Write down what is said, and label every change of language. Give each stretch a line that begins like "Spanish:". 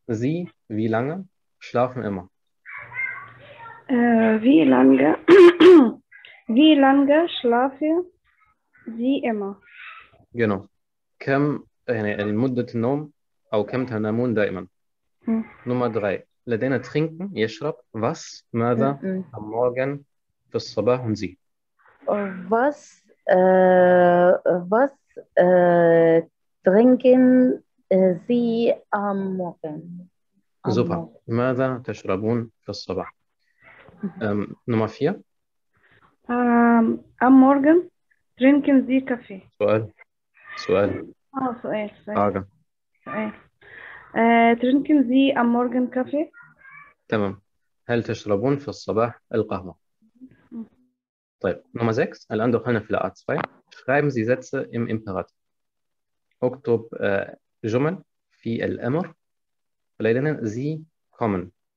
German: Sie wie lange schlafen immer? Wie lange schlafen Sie immer? Genau.
Arabic: كم يعني مدة النوم أو كم تنامون دائما؟
German: Nummer 3.
Arabic: لدينا trinken، يشرب.
German: Was, ماذا، am Morgen،
Arabic: في الصباح،
German: und Sie. Was trinken Sie am Morgen? Super.
Arabic: ماذا تشربون في الصباح؟
German: Nummer 4. Am Morgen trinken Sie Kaffee.
Arabic: سؤال. سؤال. حاجة. سؤال.
German: Trinken Sie am Morgen Kaffee?
Arabic: تمام. هل تشربون في الصباح القهوة؟ طيب نمرة 6. الآن دخلنا في الـ A2.
German: Schreiben Sie Sätze im Imperativ.
Arabic: اكتب جمل في الأمر.
German: لدينا Sie kommen.